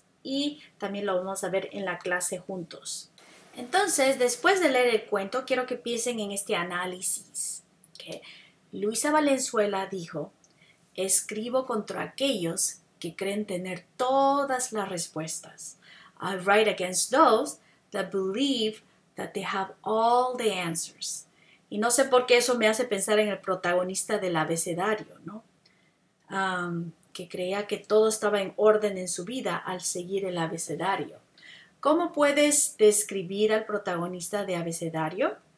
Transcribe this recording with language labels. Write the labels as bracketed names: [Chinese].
[Spanish] Y también lo vamos a ver en la clase juntos. Entonces, después de leer el cuento, quiero que piensen en este análisis, que Luisa Valenzuela dijo: "Escribo contra aquellos que creen tener todas las respuestas. [English] I write against those that believe that they have all the answers." [Spanish] Y no sé por qué eso me hace pensar en el protagonista del abecedario, ¿no? Que creía que todo estaba en orden en su vida al seguir el abecedario. ¿Cómo puedes describir al protagonista de abecedario?